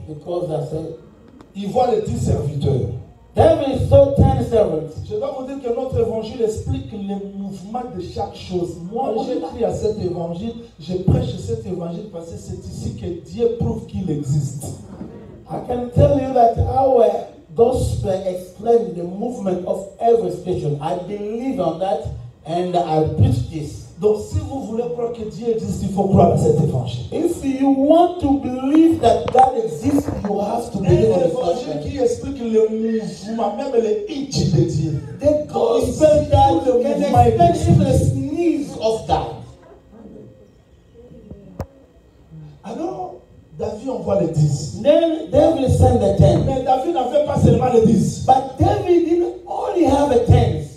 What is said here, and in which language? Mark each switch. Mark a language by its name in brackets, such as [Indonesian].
[English] Because I said, [French] il voit les 10 serviteurs. [English] David saw 10 servants. [French] Je dois vous dire que notre évangile explique le mouvement de chaque chose. Moi, j'écris à cet évangile, je prêche cet évangile parce que c'est ici que Dieu prouve qu'il existe. [English] I can tell you that our gospel explains the movement of every situation. I believe on that and I preach this. [French] Donc si vous voulez croire que Dieu existe, il faut croire à cet évangile. [English] If you want to believe that God exists, you have to believe on this gospel. [French] Qui explique le mouvement, même le itch de Dieu. [English] The gospel that can explain the sneeze of God. [French] Alors, David envoie les 10. [English] Then David sent the 10. [French] Mais David n'avait pas seulement les 10. [English] But David didn't only have a 10.